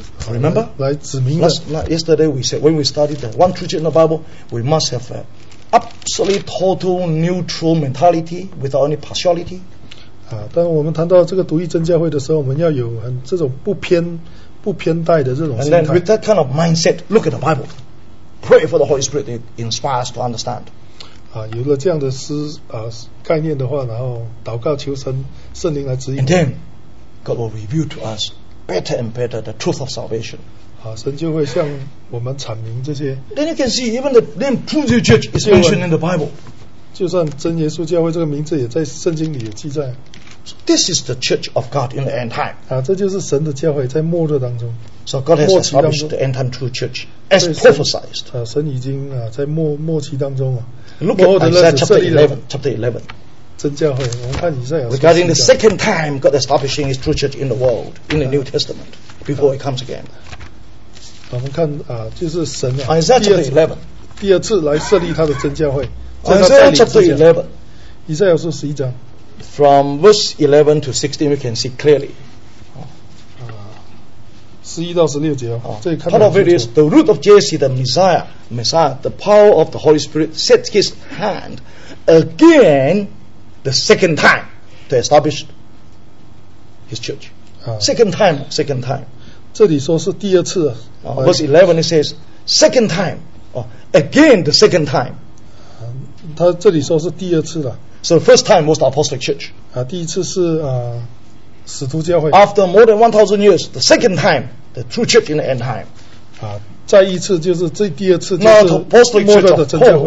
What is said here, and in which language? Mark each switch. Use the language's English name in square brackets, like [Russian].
[English] Remember? [Chinese] 来指明的 [English] Yesterday we said when we studied the one true church in the Bible we must have an absolute total neutral mentality without any partiality. [Chinese] 当我们谈到这个独一真教会的时候我们要有很这种不偏待的这种心态。 [English] And then with that kind of mindset, look at the Bible. Pray for the Holy Spirit to inspire us to understand. [Chinese] 有了这样的概念的话，然后祷告求神圣灵来指引。 [English] And then God will reveal to us better and better the truth of salvation. [Chinese] 神就会向我们阐明这些。 [English] Then you can see even the name True Church is mentioned in the Bible. [Chinese] 就算真耶稣教会这个名字也在圣经里也记载。 [English] So、this is the church of God in the end time. [Chinese] 这就是神的教会在末日当中。 [English] So God has established the end time true church as prophesied. [Chinese] 神已经在末期当中啊。 [English] Look at Isaiah chapter 11. [Chinese] 真教会，我们看以赛亚。 [English] Regarding the second time God establishing His true church in the world in the New Testament before He comes again. [Chinese] 我们看就是神啊。 [English] Isaiah chapter [Chinese] 11. 第二次来设立他的真教会。 [English] Isaiah chapter 11. [Chinese] 以赛亚书十一章。 [English] From verse 11 to 16, we can see clearly. [Chinese] 11到16节哦，这里看到。 [English] Part of it is the root of Jesse, the Messiah, the power of the Holy Spirit, set his hand again the second time to establish his church. Second time. [Chinese] 这里说是第二次、 [English] Verse 11 it says second time、again the second time、 [Chinese] 他这里说是第二次了。 [English] So the first time was the apostolic church、 [Chinese] 第一次是、使徒教会。 [English] After more than 1000 years the second time the true church in the end time、 [Chinese] 再一次就是这第二次就是末代的真教会。